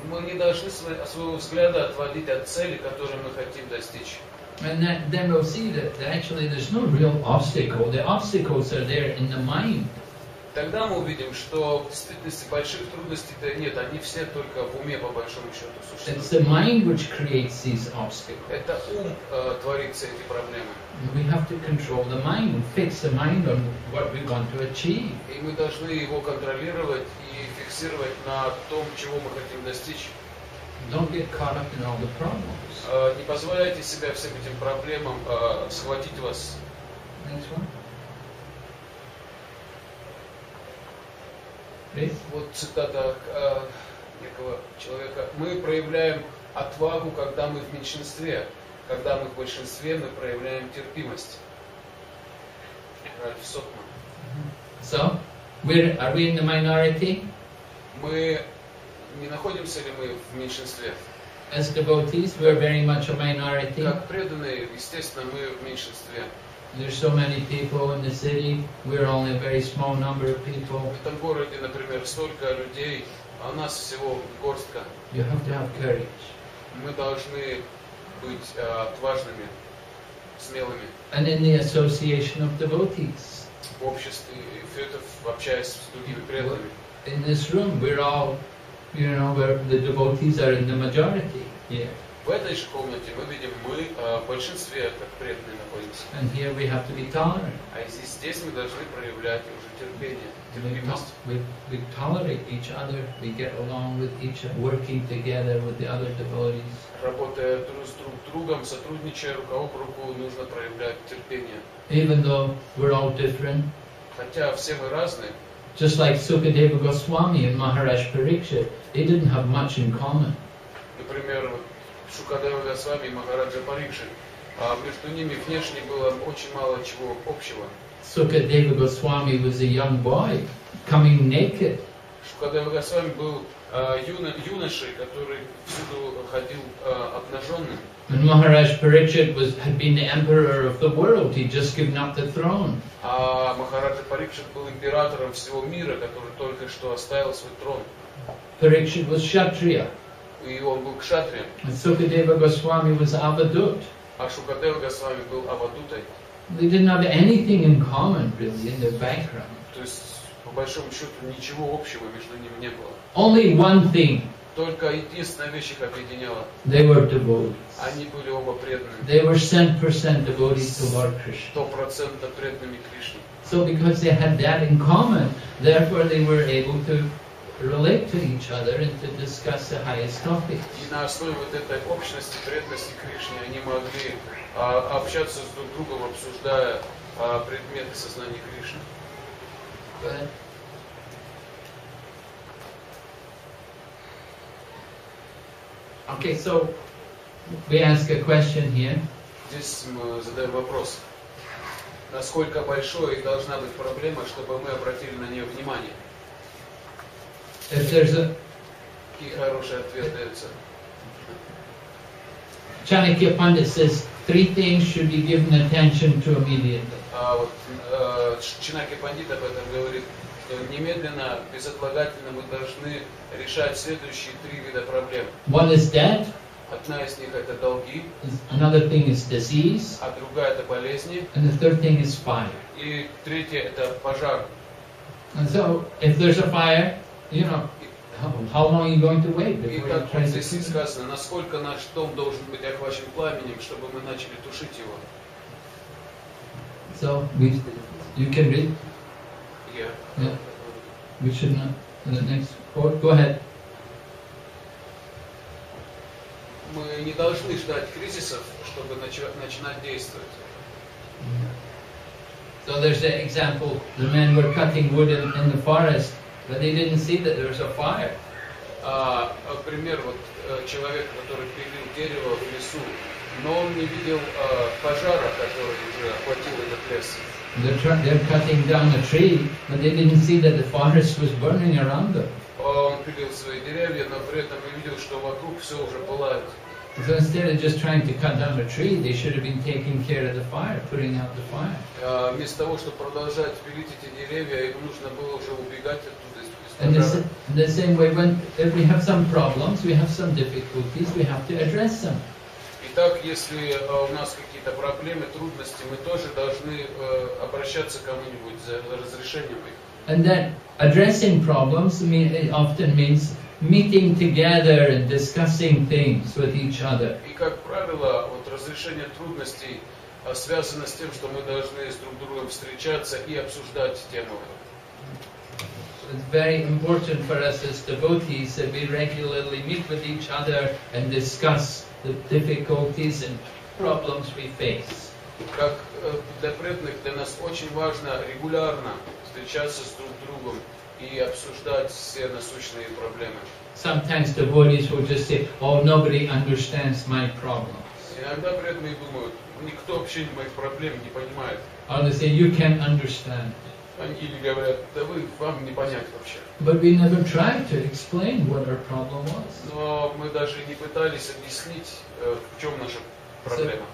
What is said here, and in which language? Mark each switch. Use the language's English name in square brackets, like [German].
[Russian] Мы не должны своего взгляда отводить от цели, которую мы хотим достичь. [English] And then we'll see that actually there's no real obstacle. The obstacles are there in the mind. [Russian] Тогда мы увидим, что в действительности больших трудностей-то нет, они все только в уме, по большому счету, существуют. [English] It's the mind which creates these obstacles. [Russian] Это ум творит все эти проблемы. [English] We have to control the mind, fix the mind on what we want to achieve. [Russian] И мы должны его контролировать и фиксировать на том, чего мы хотим достичь. [English] Don't get caught up in all the problems. [Russian] Не позволяйте себя всем этим проблемам схватить вас. [English] Next one. Please. [Russian] Вот цитата некого человека. Мы проявляем отвагу, когда мы в меньшинстве. Когда мы в большинстве, мы проявляем терпимость. Ральф Сокман. [English] So, are we in the minority? [Russian] Мы не находимся ли мы в меньшинстве? [English] As devotees, we are very much a minority. [Russian] Как преданные, естественно, мы в меньшинстве. [English] There's so many people in the city. We're only a very small number of people. [Russian] В этом городе, например, столько людей, а нас всего горстка. [English] You have to have courage. [Russian] Мы должны быть отважными, смелыми. [English] And in the association of devotees. [Russian] В обществе фетов, общаясь с другими преданными. [English] In this room, we're all, you know, where the devotees are in the majority here. [Russian] В этой же комнате мы видим, мы в большинстве как преданные находимся. [English] And here we have to be tolerant. [Russian] А здесь мы должны проявлять уже терпение. [English] We tolerate each other. We get along with each other, working together with the other devotees. [Russian] Работая друг с другом, сотрудничая рука об руку, нужно проявлять терпение. [English] Even though we're all different. [Russian] Хотя все мы разные. [English] Just like Sukadeva Goswami and Maharaj Pariksit, they didn't have much in common. [Russian] Например, Шукадева Госвами и Махараджа Парикшит, а между ними внешне было очень мало чего общего. [English] Sukadeva Goswami was a young boy, coming naked. [Russian] Шукадева Госвами был юношей, который всюду ходил обнаженным. [English] And Maharaj Pariksit had been the emperor of the world. He'd just given up the throne. [Russian] А Махараджа Парикшит был императором всего мира, который только что оставил свой трон. [English] Parikshit was Kshatriya. [Russian] И он был кшатрием. [English] And Sukadeva Goswami was Avadut. [Russian] А Шукадева Госвами был Авадутой. [English] They didn't have anything in common, really, in their background. [Russian] То есть, по большому счету, ничего общего между ними не было. [English] Only one thing. [Russian] Только единственная вещь их объединяла. [English] They were devotees. [Russian] Они были оба преданными. [English] They were 100% devotees to Lord Krishna. [Russian] 100% преданными Кришне. [English] So because they had that in common, therefore they were able to relate to each other and to discuss the highest topics. [Russian] И на основе вот этой общности, преданности Кришне, они могли общаться с друг другом, обсуждая предметы сознания Кришны. [English] Okay, so we ask a question here. [Russian] Здесь мы задаем вопрос. Насколько большой должна быть проблема, чтобы мы обратили на нее внимание? [English] If there's a... [Russian] Какие хорошие ответы даются? [English] Chanakya Pandit says, three things should be given attention to immediately. [Russian] А вот Chanakya Pandit об этом говорит, что немедленно, безотлагательно мы должны решать следующие три вида проблем. [English] One is debt. [Russian] Одна из них это долги. [English] Another thing is disease. [Russian] А другая это болезни. [English] And the third thing is fire. [Russian] И третье это пожар. [English] And so, if there's a fire, you know, how long are you going to wait before you try to... [Russian] Здесь сказано, насколько наш дом должен быть охвачен пламенем, чтобы мы начали тушить его. [English] So, we, you can read? Yeah. Yeah. We should not... The next quote. Go ahead. [Russian] Мы не должны ждать кризисов, чтобы начинать действовать. [English] So there's the example, the men were cutting wood in the forest, but they didn't see that there was a fire. [Russian] Например, вот человек, который пилил дерево в лесу, но он не видел пожара, который уже охватил этот лес. [English] They're cutting down a tree, but they didn't see that the forest was burning around them. [Russian] Он пилил свои деревья, но при этом не видел, что вокруг все уже пылает. [English] So instead of just trying to cut down a tree, they should have been taking care of the fire, putting out the fire. [Russian] Вместо того, чтобы продолжать пилить эти деревья, им нужно было уже убегать оттуда. [English] And in the same way, when if we have some problems, we have some difficulties, we have to address them. [Russian] Итак, если у нас какие-то проблемы, трудности, мы тоже должны обращаться к кому-нибудь за разрешением их. [English] And then addressing problems often means meeting together and discussing things with each other. [Russian] И как правило, вот разрешение трудностей связано с тем, что мы должны с друг другом встречаться и обсуждать тему. [English] It's very important for us as devotees that we regularly meet with each other and discuss the difficulties and problems we face. [Russian] Как для преданных, для нас очень важно регулярно встречаться с друг другом и обсуждать все насущные проблемы. [English] Sometimes devotees will just say, "Oh, nobody understands my problems." [Russian] Иногда преданные думают, никто вообще моих проблем не понимает. [English] Or they say, "You can't understand." [Russian] Они говорят, да вы, вам не понять вообще. [English] But we never tried to explain what our problem was. [Russian] Но мы даже не пытались объяснить, в чем наша проблема.